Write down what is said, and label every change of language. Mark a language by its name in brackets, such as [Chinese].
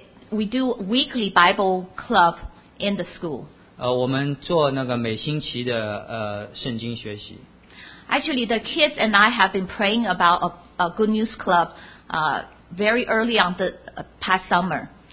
[English] We do weekly Bible club in the school. [Chinese] 我们做那个每星期的圣经学习。 [English] Actually, the kids and I have been praying about a Good News Club very early on the past summer.